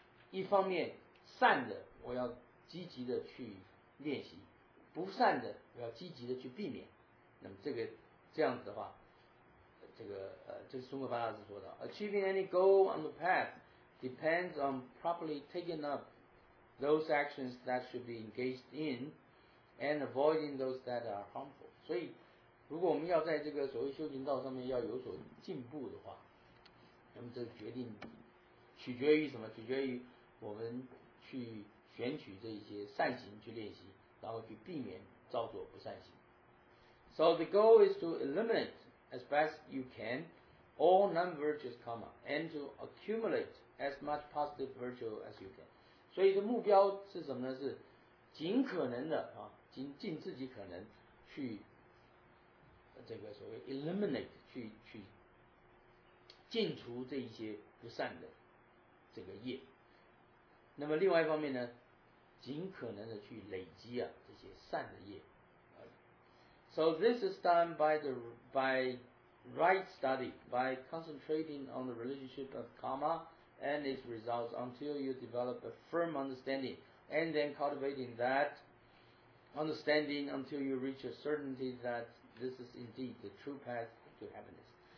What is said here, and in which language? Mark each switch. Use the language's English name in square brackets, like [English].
[English] 一方面善的我要积极的去练习，不善的我要积极的去避免，那么这个这样子的话，这个这是中国巴大师说的， Achieving any goal on the path depends on properly taking up those actions that should be engaged in and avoiding those that are harmful. [Chinese] 所以如果我们要在这个所谓修行道上面要有所进步的话，那么这个决定取决于什么？取决于我们去选取这些善行去练习，然后去避免造作不善行。 [English] So the goal is to eliminate as best you can all non-virtuous karma and to accumulate as much positive virtue as you can. [Chinese] 所以这目标是什么呢？是尽可能的啊，尽自己可能去这个所谓 eliminate 去尽除这一些不善的这个业，那么另外一方面呢，尽可能的去累积啊这些善的业。 [English] So this is done by right study, by concentrating on the relationship of karma and its results until you develop a firm understanding, and then cultivating that understanding until you reach a certainty that this is indeed the true path to happiness.